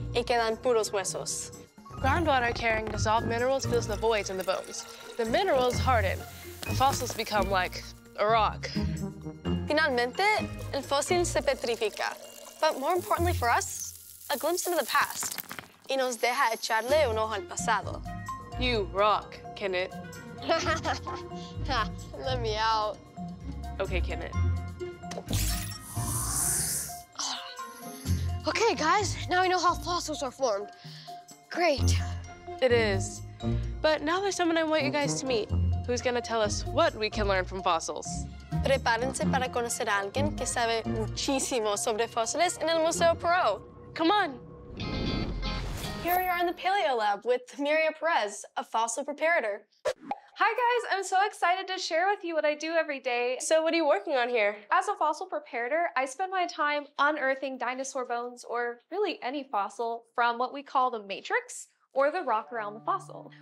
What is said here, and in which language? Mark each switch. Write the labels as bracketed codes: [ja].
[es] Y quedan puros huesos. [en] Groundwater carrying dissolved minerals fills the voids in the bones. The minerals harden. The fossils become like a rock. [es] Finalmente, el fósil se petrifica. [en] But more importantly for us, a glimpse into the past. [es] Y nos deja echarle un ojo al pasado. [en] You rock, Kennet. Let me out. Okay, Kennet. Okay, guys, now we know how fossils are formed. Great. It is. But now there's someone I want you guys to meet, who's gonna tell us what we can learn from fossils. [es] Prepárense para conocer a alguien que sabe muchísimo sobre fósiles en el Museo Perot. [en] Come on. Here we are in the Paleo Lab with Miriam Perez, a fossil preparator. Hi guys, I'm so excited to share with you what I do every day. So what are you working on here? As a fossil preparator, I spend my time unearthing dinosaur bones, or really any fossil, from what we call the matrix, or the rock around the fossil.